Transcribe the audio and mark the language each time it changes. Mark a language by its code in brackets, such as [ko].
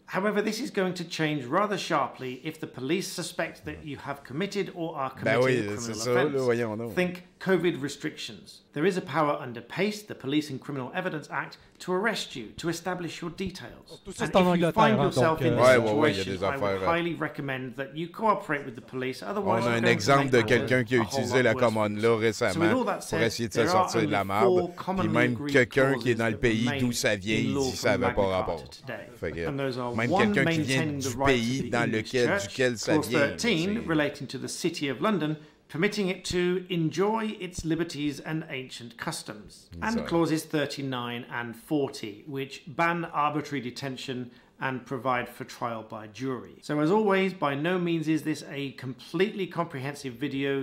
[en] However, this is going to change rather sharply if the police suspect that you have committed or are committing a criminal offence. Think COVID restrictions. There is a power under PACE, the Police and Criminal Evidence Act, to arrest you, to establish your details. And if you find yourself in this situation, I would highly recommend that you cooperate with the police, otherwise [fr] on a un exemple de quelqu'un qui a utilisé la common law récemment pour essayer de se sortir de la marde, puis même quelqu'un qui est dans le pays d'où ça vient, il dit ça n'avait pas rapport. Même quelqu'un qui vient du pays dans lequel duquel ça vient. [en] Clause 13, relating to the City of London, permitting it to enjoy its liberties and ancient customs. And clauses 39 and 40, which ban arbitrary detention and provide for trial by jury. So as always, by no means is this a completely comprehensive video.